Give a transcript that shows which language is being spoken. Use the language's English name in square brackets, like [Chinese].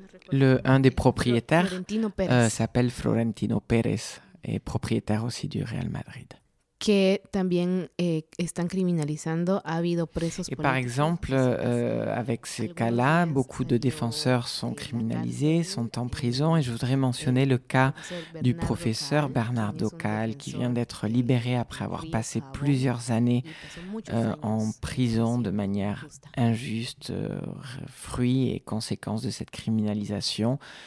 [French] Un des propriétaires s'appelle Florentino Pérez et propriétaire aussi du Real Madrid. [Spanish] Que también están criminalizando, ha habido presos políticos. [French] Et par exemple, avec ces cas-là, beaucoup de défenseurs sont criminalisés, sont en prison. Et je voudrais mentionner le cas du professeur Bernardo Cal, qui vient d'être libéré après avoir passé plusieurs années en prison de manière injuste, fruit et conséquence de cette criminalisation.